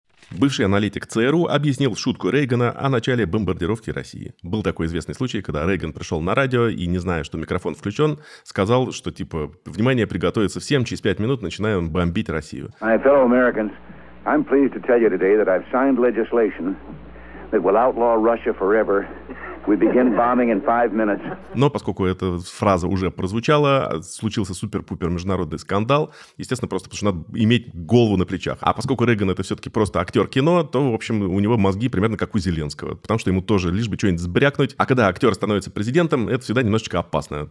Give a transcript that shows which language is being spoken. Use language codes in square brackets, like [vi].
[ru] Бывший аналитик ЦРУ объяснил шутку Рейгана о начале бомбардировки России. Был такой известный случай, когда Рейган пришел на радио и, не зная, что микрофон включен, сказал, что типа, внимание, приготовиться всем, через 5 минут начинаем бомбить Россию. [en] My fellow Americans, I'm pleased to tell you today that I've signed legislation that will outlaw Russia forever. We begin bombing in 5 minutes. [ru] Но поскольку эта фраза уже прозвучала, случился супер-пупер международный скандал. Естественно, просто потому что надо иметь голову на плечах. А поскольку Рейган — это все-таки просто актер кино, то, в общем, у него мозги примерно как у Зеленского. Потому что ему тоже лишь бы что-нибудь сбрякнуть. А когда актер становится президентом, это всегда немножечко опасно.